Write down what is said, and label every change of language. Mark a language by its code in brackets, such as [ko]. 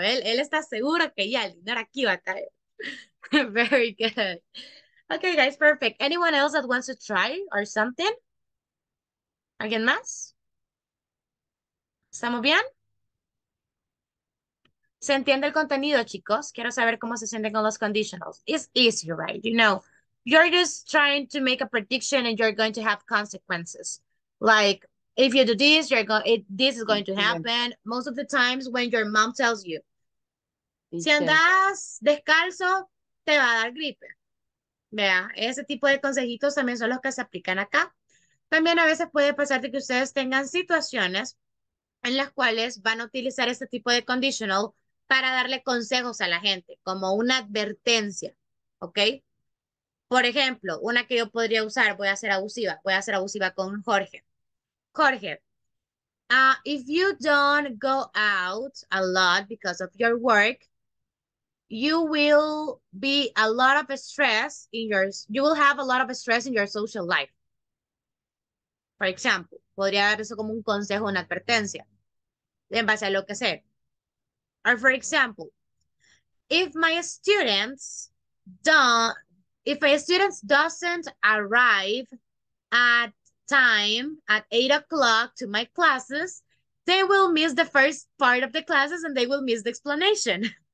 [es] Él está seguro que ya el dinero aquí va a caer. [en] Very good. Okay, guys. Perfect. Anyone else that wants to try or something? [es] ¿Alguien más? ¿Estamos bien? ¿Se entiende el contenido, chicos? Quiero saber cómo se sienten con los conditionals. [en] It's easy, right? You know, you're just trying to make a prediction and you're going to have consequences. Like, if you do this, this is going to happen. Most of the times when your mom tells you, [es] si andas descalzo, te va a dar gripe. Vea, ese tipo de consejitos también son los que se aplican acá. También a veces puede pasar de que ustedes tengan situaciones en las cuales van a utilizar este tipo de conditional para darle consejos a la gente, como una advertencia, ¿ok? Por ejemplo, una que yo podría usar, voy a ser abusiva con Jorge. [en] Jorge, if you don't go out a lot because of your work, you will have a lot of stress in your social life. For example, [es] podría dar eso como un consejo, una advertencia, en base a lo que sé. [en] Or for example, if my students doesn't arrive at time at 8 o'clock to my classes, they will miss the first part of the classes and they will miss the explanation.